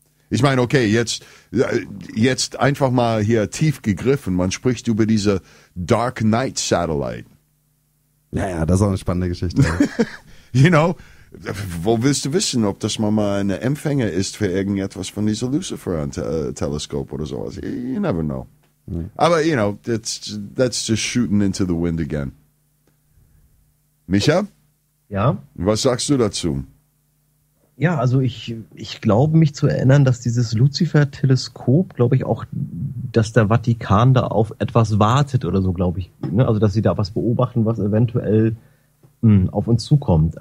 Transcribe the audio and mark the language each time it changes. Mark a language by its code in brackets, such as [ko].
[de] Ich meine, okay, jetzt einfach mal hier tief gegriffen. Man spricht über diese Dark Knight Satellite. Naja, das ist auch eine spannende Geschichte. [en] You know? [de] Wo willst du wissen, ob das mal ein Empfänger ist für irgendetwas von dieser Lucifer-Teleskop oder sowas? [en] You never know. Nee. Aber, you know, that's just shooting into the wind again. [de] Micha? Ja? Was sagst du dazu? Ja, also ich glaube mich zu erinnern, dass dieses Lucifer-Teleskop, glaube ich auch, dass der Vatikan da auf etwas wartet oder so, glaube ich. Ne? Also, dass sie da was beobachten, was eventuell auf uns zukommt.